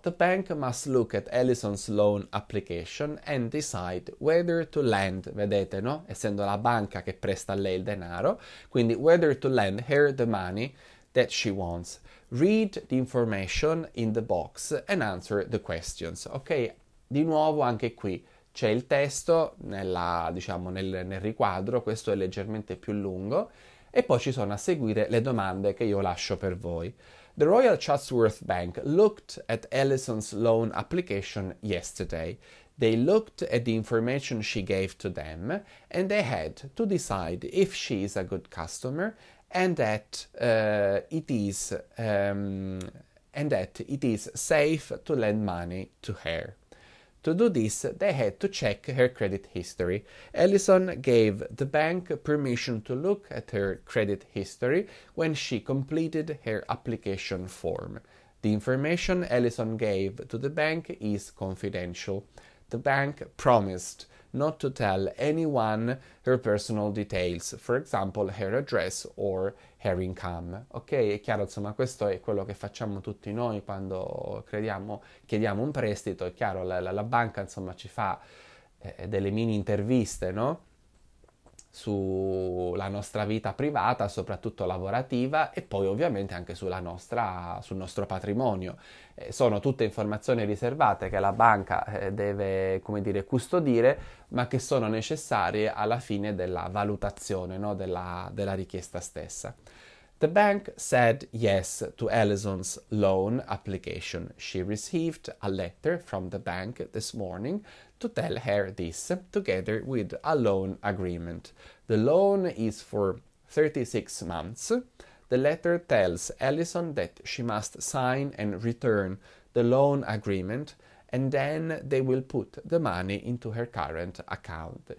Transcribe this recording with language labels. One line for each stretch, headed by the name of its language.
English: The bank must look at Alison's loan application and decide whether to lend,
Italian: vedete, no? Essendo la banca che presta a lei il denaro, quindi
English: whether to lend her the money that she wants. Read the information in the box and answer the questions.
Italian: Ok, di nuovo anche qui c'è il testo diciamo, nel riquadro, questo è leggermente più lungo. E poi ci sono a seguire le domande che io lascio per voi.
English: The Royal Chatsworth Bank looked at Alison's loan application yesterday. They looked at the information she gave to them and they had to decide if she is a good customer and that it is safe to lend money to her. To do this, they had to check her credit history. Ellison gave the bank permission to look at her credit history when she completed her application form. The information Ellison gave to the bank is confidential. The bank promised not to tell anyone her personal details, for example, her address or her income.
Italian: Ok, è chiaro, insomma, questo è quello che facciamo tutti noi quando chiediamo un prestito. È chiaro, la banca, insomma, ci fa delle mini interviste, no? Sulla nostra vita privata, soprattutto lavorativa, e poi ovviamente anche sul nostro patrimonio. Sono tutte informazioni riservate che la banca deve, come dire, custodire, ma che sono necessarie alla fine della valutazione, no? della richiesta stessa.
English: The bank said yes to Ellison's loan application. She received a letter from the bank this morning to tell her this, together with a loan agreement. The loan is for 36 months. The letter tells Ellison that she must sign and return the loan agreement, and then they will put the money into her current account.